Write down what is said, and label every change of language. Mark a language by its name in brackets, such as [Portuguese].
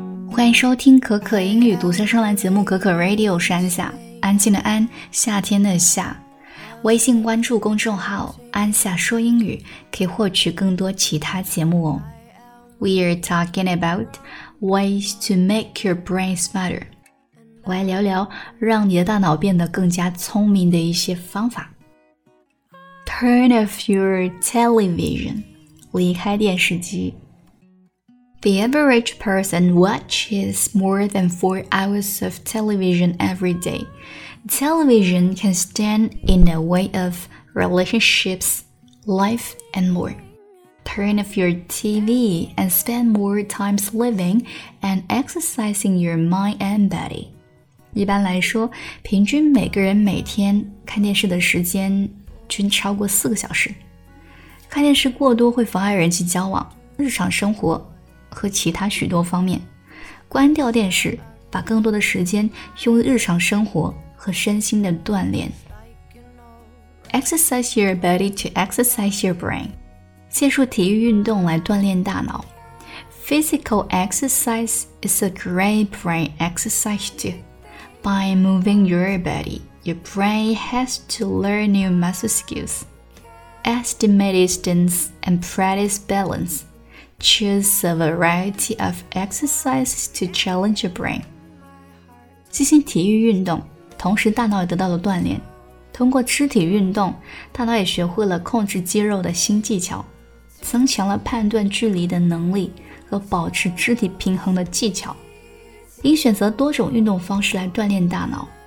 [Chinese] 欢迎收听可可英语独家上栏节目可可 Radio， 我是安夏，安静的安，夏天的夏。微信关注公众号安夏说英语，可以获取更多其他节目哦。 [English] We are talking about ways to make your brain smarter。 [Chinese] 我来聊聊让你的大脑变得更加聪明的一些方法。 [English] Turn off your television， [Chinese] 离开电视机。 [English] The average person watches more than 4 hours of television every day. Television can stand in the way of relationships, life, and more. Turn off your TV and spend more time living and exercising your mind and body. [Chinese] 一般来说，平均每个人每天看电视的时间均超过四个小时。看电视过多会妨碍人际交往、日常生活和其他许多方面。关掉电视，把更多的时间用于日常生活和身心的锻炼。 [English] Exercise your body to exercise your brain. [Chinese] 借助体育运动来锻炼大脑。 [English] Physical exercise is a great brain exercise too. By moving your body, your brain has to learn new muscle skills. Estimate distance and practice balance. Choose a variety of exercises to challenge your brain. [Chinese] 进行体育运动，同时大脑也得到了锻炼。通过肢体运动，大脑也学会了控制肌肉的新技巧，增强了判断距离的能力和保持肢体平衡的技巧。应选择多种运动方式来锻炼大脑。